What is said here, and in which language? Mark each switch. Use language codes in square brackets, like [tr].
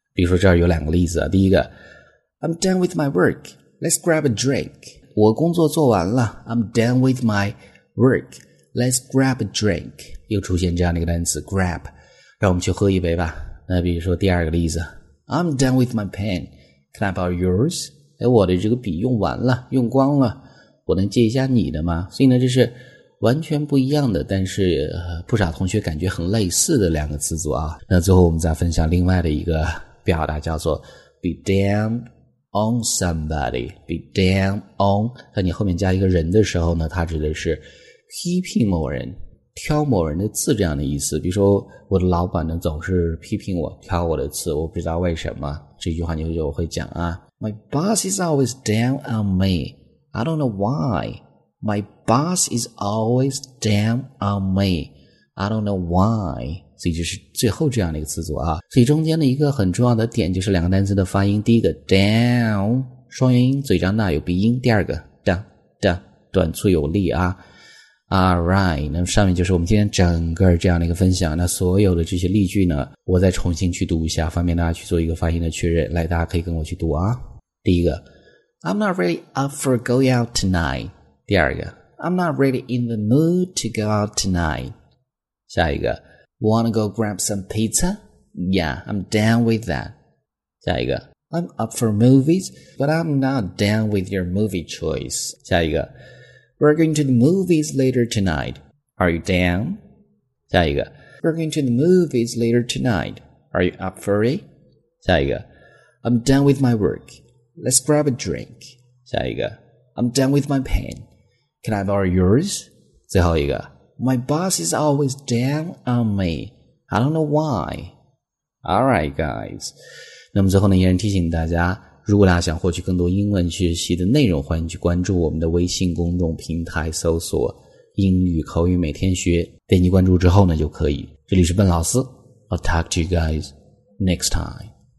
[zh] 比如说这儿有两个例子啊，第一个 [en] I'm done with my work, let's grab a drink, [zh] 我工作做完了 I'm done with my work, let's grab a drink, 又出现这样的一个单词 grab,让我们去喝一杯吧。那比如说第二个例子 [en] I'm done with my pen, can I borrow yours? [zh] 我的这个笔用完了，用光了，我能借一下你的吗？所以呢这是完全不一样的，但是不少同学感觉很类似的两个词组啊。那最后我们再分享另外的一个表达，叫做 be damned on somebody。 be damned on， 那你后面加一个人的时候呢，它指的是批评某人，挑某人的刺这样的意思。比如说我的老板呢总是批评我，挑我的刺，我不知道为什么。这句话你就会讲啊， [en] My boss is always down on me, I don't know why. My boss is always down on me, I don't know why。 [zh] 所以就是最后这样的一个词组啊。所以中间的一个很重要的点就是两个单词的发音，第一个 down， 双元音，嘴张大有鼻音，第二个 da da， 短促有力啊。 Alright， 那上面就是我们今天整个这样的一个分享。那所有的这些例句呢，我再重新去读一下，方便大家去做一个发音的确认。来，大家可以跟我去读啊。第一个 [en] I'm not really up for going out tonight。 [zh] 第二个 [en] I'm not really in the mood to go out tonight。 [zh] 下一个 [en] Wanna go grab some pizza? Yeah, I'm down with that。 [zh] 下一个 [en] I'm up for movies, but I'm not down with your movie choice。 [zh] 下一个 [en] We're going to the movies later tonight. Are you down? [zh] 下一个 [en] We're going to the movies later tonight. Are you up for it? [zh] 下一个 [en] I'm done with my work. Let's grab a drink. [zh] 下一个 [en] I'm done with my pen. Can I borrow yours? [zh] 最后一个 [en] My boss is always down on me. I don't know why. Alright, guys. [zh] 那么最后呢，依然提醒大家，如果大家想获取更多英文学习的内容，欢迎去关注我们的微信公众平台，搜索英语口语每天学，点击关注之后呢就可以。这里是笨老师， [en] I'll talk to you guys next time.